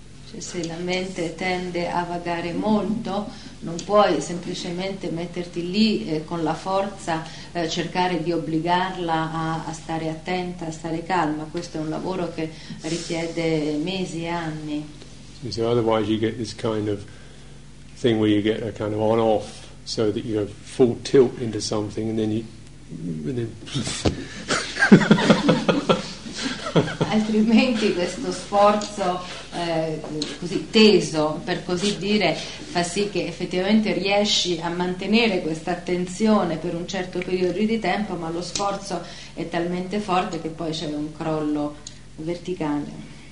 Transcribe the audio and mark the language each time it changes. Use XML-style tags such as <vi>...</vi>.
<it>Cioè, se la mente tende a vagare molto, non puoi semplicemente metterti lì con la forza, cercare di obbligarla a stare attenta, a stare calma. Questo è un lavoro che richiede mesi e anni.</it> <en>So otherwise you get this kind of thing where you get a kind of on-off, so that you go full tilt into something and then</en> <it>altrimenti questo sforzo così teso, per così dire, fa sì che effettivamente riesci a mantenere questa attenzione per un certo periodo di tempo, ma lo sforzo è talmente forte che poi c'è un crollo verticale.</it>